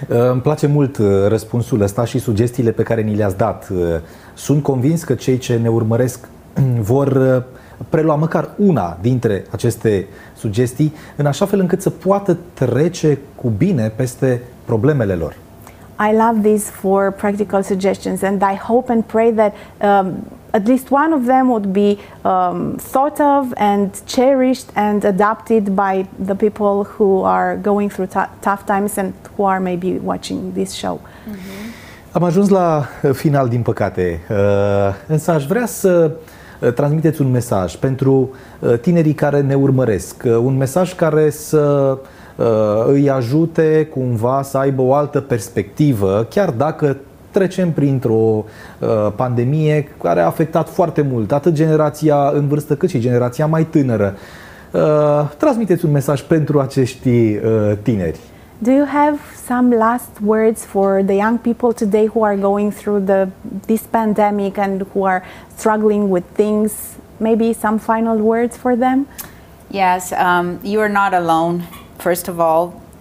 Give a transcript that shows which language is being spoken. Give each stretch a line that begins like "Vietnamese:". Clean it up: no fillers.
Romanian: Îmi place mult răspunsul ăsta și sugestiile pe care ni le-ați dat. Sunt convins că cei ce ne urmăresc vor prelua măcar una dintre aceste sugestii în așa fel încât să poată trece cu bine peste problemele lor.
English: I love these 4 practical suggestions and I hope and pray that at least one of them would be thought of and cherished and adopted by the people who are going through tough times and who are maybe watching this show.
Romanian: Mm-hmm. Am ajuns la final, din păcate, însă aș vrea să transmiteți un mesaj pentru tinerii care ne urmăresc, un mesaj care să îi ajute cumva să aibă o altă perspectivă, chiar dacă trecem printr-o pandemie care a afectat foarte mult atât generația în vârstă cât și generația mai tânără. Transmiteți un mesaj pentru acești tineri.
English: Do you have some last words for the young people today who are going through this pandemic and who are struggling with things? Maybe some final words for them? Yes, you are not alone, first of all.